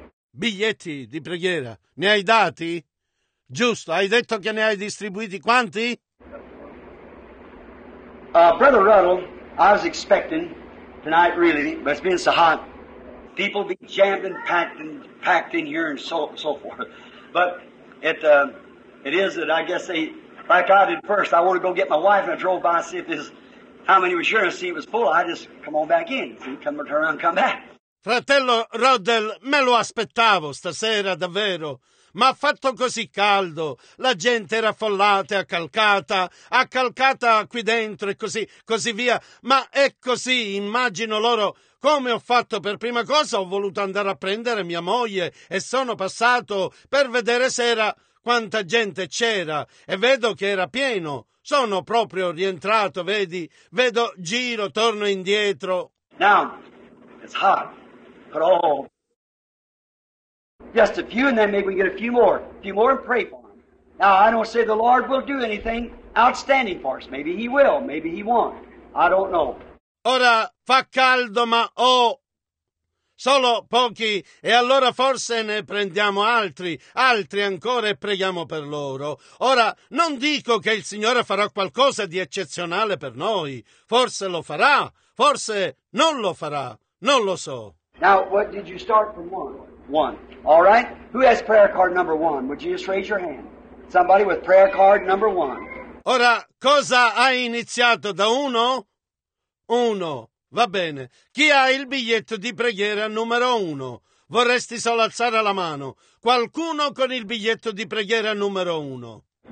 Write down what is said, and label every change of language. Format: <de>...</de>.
<it>Biglietti di preghiera, ne hai dati? Giusto, hai detto che ne hai distribuiti quanti?</it> <en>Brother Ruddle, I was expecting tonight really, but it's been so hot. People be jammed and packed in here and so forth. But it is that I guess they, like I did first, I want to go get my wife and I drove by and see if this. How many were sure to see it was full? I just come on back in. See, come turn around, come back.</en> <it>Fratello Roddell, me lo aspettavo stasera davvero. Ma ha fatto così caldo, la gente era affollata, accalcata qui dentro e così via. Ma è così, immagino loro, come ho fatto per prima cosa, ho voluto andare a prendere mia moglie e sono passato per vedere se era quanta gente c'era e vedo che era pieno. Sono proprio rientrato, vedi? Vedo, giro, torno indietro.</it> <en>Now, it's hot, but oh, just a few and then maybe we get a few more and pray for them. Now, I don't say the Lord will do anything outstanding for us. Maybe He will, maybe He won't. I don't know.</en> <it>Ora fa caldo, ma solo pochi e allora forse ne prendiamo altri ancora e preghiamo per loro. Ora, non dico che il Signore farà qualcosa di eccezionale per noi. Forse lo farà, forse non lo farà, non lo so.</it> <en>Now, what did you start from one, all right? Who has prayer card number one? Would you just raise your hand? Somebody with prayer card number one.</en> <it>Ora, cosa hai iniziato da uno? Uno. Va bene. Chi ha il biglietto di preghiera numero uno? Vorresti solo alzare la mano. Qualcuno con il biglietto di preghiera numero uno?</it>